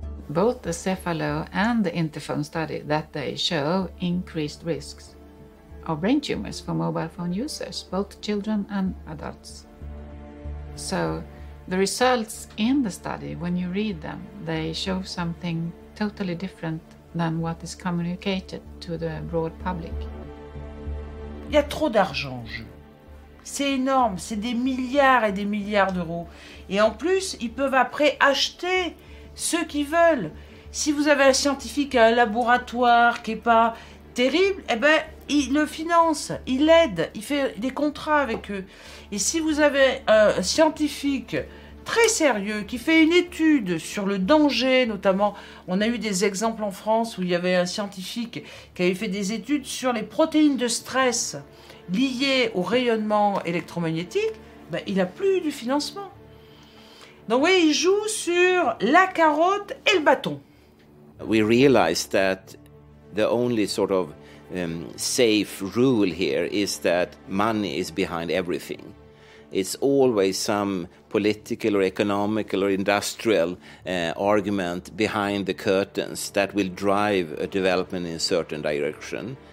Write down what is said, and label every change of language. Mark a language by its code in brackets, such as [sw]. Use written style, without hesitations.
[en] Both the Cephalo and the Interphone study that they show increased risks of brain tumors for mobile phone users, both children and adults. So the results in the study, when you read them, they show something totally different than what is communicated to the broad public. [fr] Il y a trop d'argent en jeu. C'est énorme, c'est des milliards et des milliards d'euros. Et en plus, ils peuvent après acheter ceux qui veulent. Si vous avez un scientifique à un laboratoire qui n'est pas terrible, eh ben, il le finance, il l'aide, il fait des contrats avec eux. Et si vous avez un scientifique très sérieux qui fait une étude sur le danger, notamment, on a eu des exemples en France où il y avait un scientifique qui avait fait des études sur les protéines de stress liées au rayonnement électromagnétique, ben, il n'a plus du financement. Donc oui, il joue sur la carotte et le bâton. [en] We realize that the only sort of safe rule here is that money is behind everything. It's always some political or economical or industrial argument behind the curtains that will drive a development in a certain direction.